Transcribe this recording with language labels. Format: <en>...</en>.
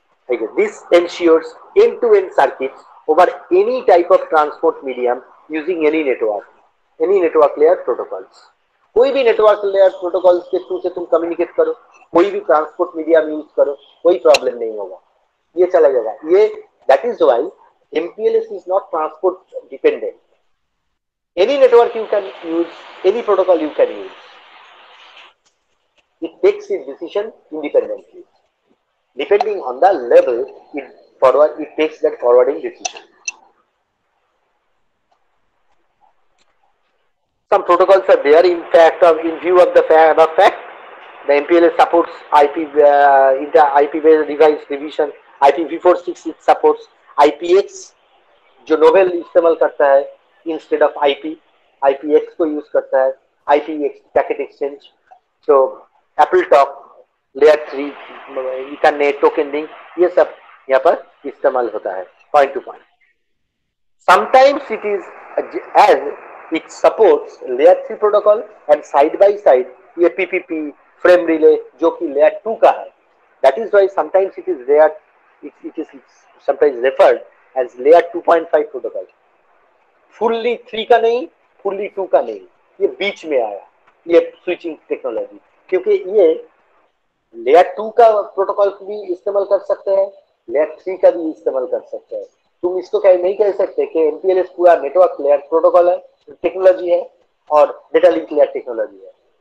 <hi>ठीक है,</hi> <en>this ensures end to end circuit over any type of transport medium using any network layer protocols,</en> <hi>कोई भी network layer protocols के through से तुम कम्युनिकेट करो, कोई भी ट्रांसपोर्ट मीडियम यूज करो, कोई प्रॉब्लम नहीं होगा, ये चला जाएगा, ये</hi> <en>That is why MPLS is not transport dependent. Any network you can use, any protocol you can use, it takes its decision independently. Depending on the level, it takes that forwarding decision. Some protocols are there in fact, or in view of the fact the MPLS supports IP IPv device revision, IPv4 6 it supports IPX</en> <hi>जो novel इस्तेमाल करता है</hi> <en>instead of IP, IPX को use करता है IPX packet exchange, so Apple Talk layer 3 Ethernet token link,</en> <hi>ये सब यहाँ पर इस्तेमाल होता है</hi> <en>point to point. Sometimes it is as it supports layer 3 protocol and side by side</en> <hi>ये PPP frame relay जो कि layer 2 का है,</hi> <en>that is why sometimes it is layer it is sometimes referred as layer 2.5 protocol.</en> <hi>Fully 3 का नहीं, fully 2 का नहीं, ये बीच में आया ये switching technology, क्योंकि ये layer 2 का protocol भी इस्तेमाल कर सकते हैं, layer 3 का भी इस्तेमाल कर सकते हैं. तुम इसको कह नहीं कह सकते कि MPLS पूरा नेटवर्क लेयर प्रोटोकॉल है टेक्नोलॉजी है और डेटा लिंक लेयर टेक्नोलॉजी है.</hi>